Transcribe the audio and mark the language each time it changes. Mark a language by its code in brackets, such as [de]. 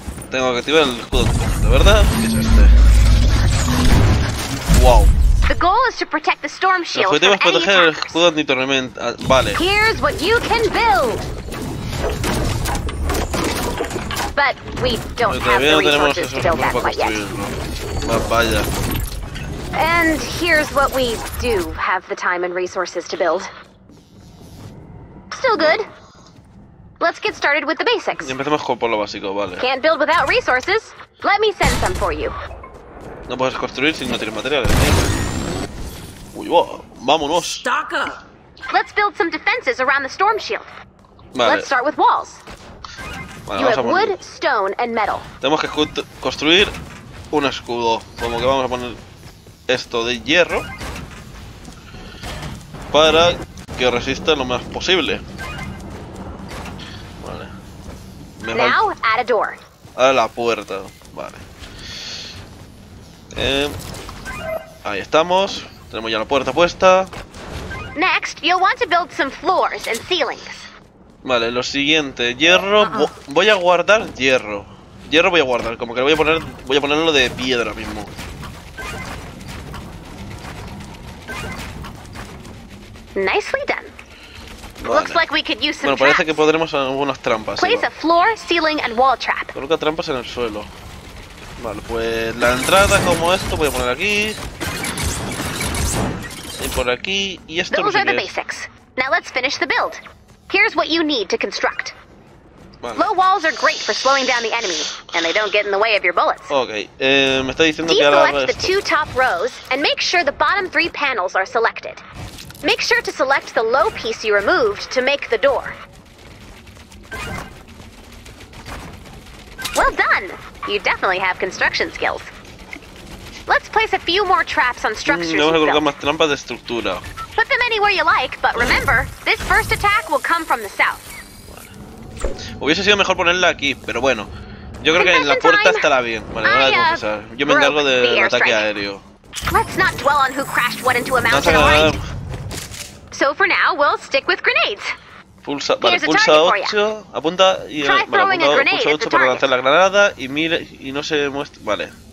[es] Tengo que activar el escudo, ¿de verdad? ¿Qué es este? Wow. [en] The goal is to protect the storm shield from any attackers. [es] Vale. [en] Here's what you can build. But we don't have the resources to build that quite yet. [es] Vaya. [en] And here's what we do have the time and resources to build. Still good. Let's get started with the basics. [es] Empecemos con por lo básico, vale. [en] Can't build without resources. Let me send some for you. [es] No puedes construir si no tienes materiales. Uy, wow. Vámonos. [en] Let's build some defenses around the storm shield. [es] Vale. [en] Let's start with walls. [es] Vale, [en] you have wood, stone, and metal. [es] Tenemos que construir un escudo. Como que vamos a poner esto de hierro para que resista lo más posible. Vale. [en] Now add a door. [es] A la puerta. Vale. Ahí estamos. Tenemos ya la puerta puesta. [en] Next, you'll want to build some floors and ceilings. [es] Vale, lo siguiente, hierro. Voy a guardar hierro. Hierro voy a guardar, como que lo voy a poner. Voy a ponerlo de piedra mismo. [en] Nicely done. [es] Vale. [en] Looks like we could use some [es] bueno, parece que podremos hacer algunas trampas. [en] Place a floor, ceiling, and wall trap. [es] Coloca trampas en el suelo. Vale, pues la entrada como esto voy a poner aquí. Y por aquí. Y esto [en] Those are the basics. Now let's finish the build. Here's what you need to construct. [es] Vale. [en] Low walls are great for slowing down the enemy, and they don't get in the way of your bullets. Okay. [es] Me está diciendo que ahora [en] Deselect the two top rows and make sure the bottom three panels are selected. Make sure to select the low piece you removed to make the door. Well done! You definitely have construction skills. Let's place a few more traps on structures. [es] Vamos a colocar más trampas de estructura. [en] Put them anywhere you like, but remember, this first attack will come from the south. [es] Vale. Hubiese sido mejor ponerla aquí, pero bueno. Yo creo que en la puerta [en] time. [es] Estará bien. Vale, no la debo pasar. Yo me encargo del ataque aéreo. [en] Let's not dwell on who crashed what into a mountain, no, alright? So for now, we'll stick with grenades. [es] Pulsa, vale, pulsa 8, apunta y pulsa 8 para lanzar la granada y mira y no se muestra. Vale.